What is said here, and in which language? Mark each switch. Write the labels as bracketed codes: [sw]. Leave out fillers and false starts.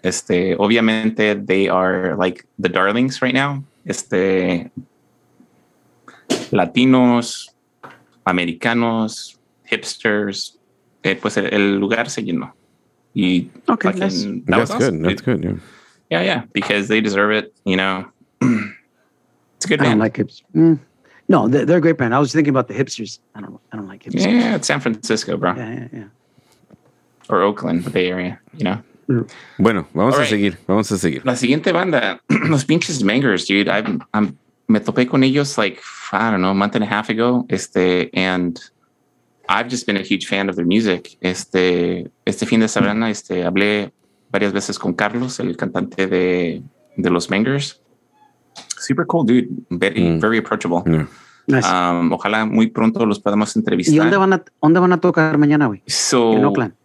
[es] Este, obviamente, [en] they are like the darlings right now. [es] Este. Latinos, americanos, hipsters, pues el lugar se llenó. Y [en] okay, like, nice. That was awesome. That's good. Yeah, because they deserve it, you know. It's a good I band. I don't like hipsters. No, they're a great band. I was thinking about the hipsters. I don't like hipsters. Yeah, it's San Francisco, bro. Yeah. Or Oakland, the Bay Area, you know. [es] Bueno, vamos a seguir. La siguiente banda, los pinches Mangers, dude. [en] I'm [es] me topé con ellos [en] like, I don't know, a month and a half ago. Este, and I've just been a huge fan of their music. [es] Este fin de semana, este, hablé varias veces con Carlos, el cantante de los Mangers. [en] Super cool dude. Very approachable. Yeah. [es] Nice. Ojalá muy pronto los podamos entrevistar. ¿Y dónde van a tocar mañana, güey? So, en Oakland.